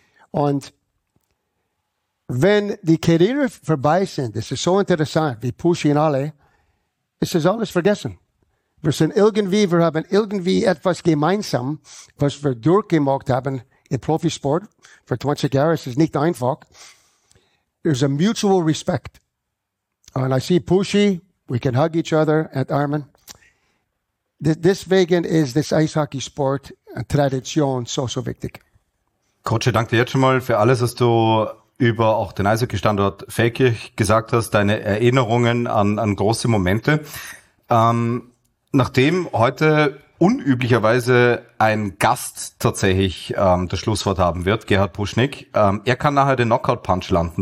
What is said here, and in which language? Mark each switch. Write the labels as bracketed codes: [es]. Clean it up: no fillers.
[de] Und wenn die Karriere vorbei sind, es ist so interessant, wie Pushy und alle, es ist alles vergessen. Wir sind irgendwie, wir haben irgendwie etwas gemeinsam, was wir durchgemacht haben im Profisport für 20 Jahre. Es ist nicht einfach. [en] There's a mutual respect. And I see Pushy, we can hug each other at Armin. [de] Deswegen ist das Eishockey-Sport eine Tradition so, so wichtig. Coach, ich danke dir jetzt schon mal für alles, was du über auch den Eishockey-Standort Feldkirch gesagt hast, deine Erinnerungen an große Momente. Nachdem heute unüblicherweise ein Gast tatsächlich das Schlusswort haben wird, Gerhard Pruschnick, er kann nachher den Knockout-Punch landen.